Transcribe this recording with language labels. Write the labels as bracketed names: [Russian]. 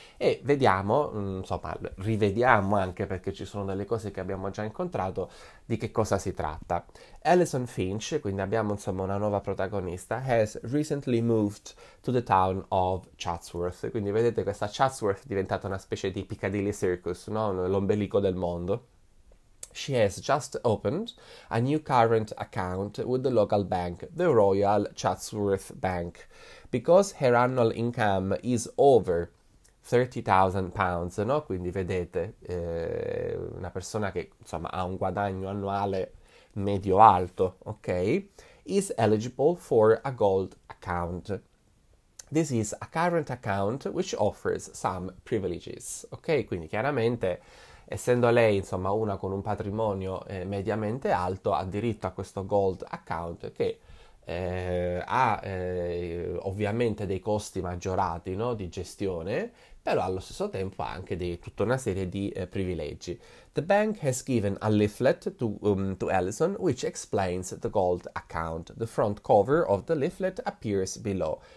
[Italian] E vediamo, insomma, rivediamo anche, perché ci sono delle cose che abbiamo già incontrato, di che cosa si tratta. [English] Alison Finch, [Italian] quindi abbiamo, insomma, una nuova protagonista, [English] has recently moved to the town of Chatsworth. [Italian] Quindi vedete, questa Chatsworth è diventata una specie di Piccadilly Circus, no? L'ombelico del mondo. [English] She has just opened a new current account with the local bank, the Royal Chatsworth Bank. Because her annual income is over £30,000, no? [Italian] Quindi vedete, una persona che, insomma, ha un guadagno annuale medio-alto, ok? [English] Is eligible for a gold account. This is a current account which offers some privileges, ok? [Italian] Quindi chiaramente, essendo lei, insomma, una con un patrimonio mediamente alto, ha diritto a questo gold account, che ha ovviamente dei costi maggiorati, no, di gestione, però allo stesso tempo ha anche tutta una serie di privilegi. [English] The bank has given a leaflet to Alison, which explains the gold account. The front cover of the leaflet appears below.